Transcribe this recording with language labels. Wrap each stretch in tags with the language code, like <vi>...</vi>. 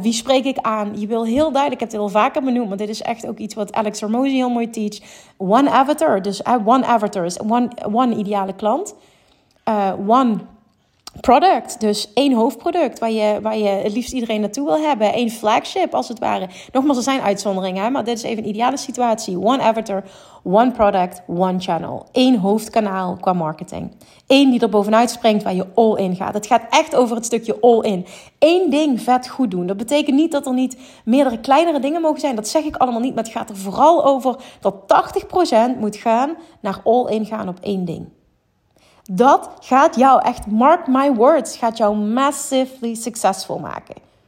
<nl>Wie spreek ik aan? Je wil heel duidelijk, ik heb het heel vaker benoemd, maar dit is echt ook iets wat Alex Hormozi heel mooi teach.</nl> <en>One avatar,</en> <nl>dus</nl> <en>one avatar is one</en> <nl>ideale klant.</nl> <en>One product,</en> <nl>dus één hoofdproduct waar je het liefst iedereen naartoe wil hebben. Eén flagship, als het ware. Nogmaals, er zijn uitzonderingen, hè? Maar dit is even een ideale situatie.</nl> <en>One avatar, one product, one channel.</en> <nl>Eén hoofdkanaal qua marketing. Eén die er bovenuit springt waar je all in gaat. Het gaat echt over het stukje all in. Eén ding vet goed doen. Dat betekent niet dat er niet meerdere kleinere dingen mogen zijn. Dat zeg ik allemaal niet. Maar het gaat er vooral over dat 80% moet gaan naar all in gaan op één ding. Dat gaat jou echt,</nl> <en>mark my words,</en> <nl>gaat jou</nl> <en>massively successful</en> <nl>maken.</nl>